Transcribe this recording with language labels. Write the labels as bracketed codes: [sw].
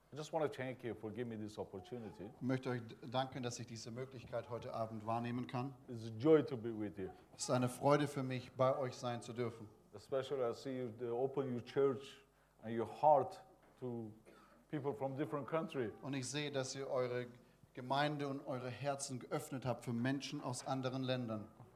[en] just want to thank you for giving me this opportunity. [de] Ich möchte euch danken, dass ich diese Möglichkeit heute Abend wahrnehmen kann. [en] It's a joy to be with you. [de] Es ist eine Freude für mich, bei euch sein zu dürfen. [en] Especially I see you open your church and your heart to people from different countries. [de] Und ich sehe, dass ihr eure Gemeinde und eure Herzen geöffnet habt für Menschen aus anderen Ländern.